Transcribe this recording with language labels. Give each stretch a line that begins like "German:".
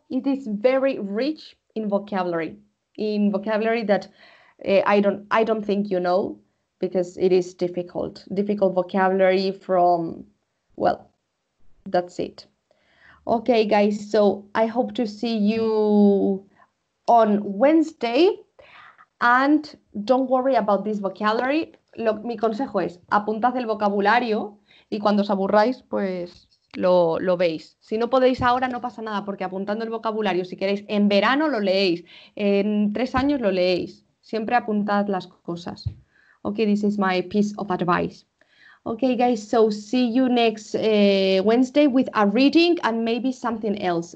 English: It is very rich in vocabulary that I don't think you know, because it is difficult. Difficult vocabulary from, well, that's it. Okay, guys, so I hope to see you on Wednesday. And don't worry about this vocabulary.
Spanish: Mi consejo es, apuntad el vocabulario y cuando os aburráis, pues lo veis. Si no podéis ahora, no pasa nada, porque apuntando el vocabulario, si queréis, en verano lo leéis, en 3 años lo leéis. Siempre apuntad las cosas.
English: Okay, this is my piece of advice. Okay, guys, so see you next Wednesday with a reading and maybe something else.